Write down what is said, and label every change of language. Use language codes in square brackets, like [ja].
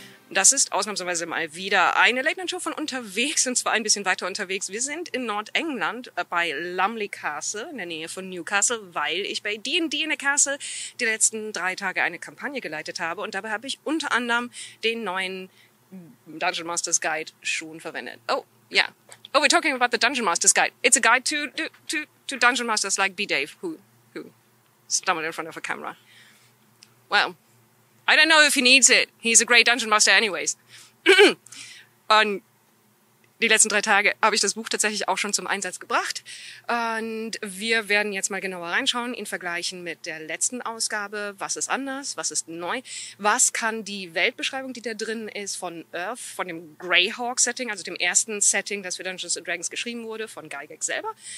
[de] Das ist ausnahmsweise mal wieder eine Late Night Show von unterwegs, und zwar ein bisschen weiter unterwegs. Wir sind in Nordengland bei Lumley Castle in der Nähe von Newcastle, weil ich bei D&D in der Castle die letzten 3 Tage eine Kampagne geleitet habe. Und dabei habe ich unter anderem den neuen Dungeon Masters Guide schon verwendet. [en] Oh, yeah. Oh, we're talking about the Dungeon Masters Guide. It's a guide to Dungeon Masters like B. Dave, who stumbled in front of a camera. Well, I don't know if he needs it. He's a great Dungeon Master anyways. [de] Und die letzten 3 Tage habe ich das Buch tatsächlich auch schon zum Einsatz gebracht. Und wir werden jetzt mal genauer reinschauen, ihn vergleichen mit der letzten Ausgabe. Was ist anders? Was ist neu? Was kann die Weltbeschreibung, die da drin ist, von Earth, von dem Greyhawk-Setting, also dem ersten Setting, das für Dungeons & Dragons geschrieben wurde, von Gygax selber?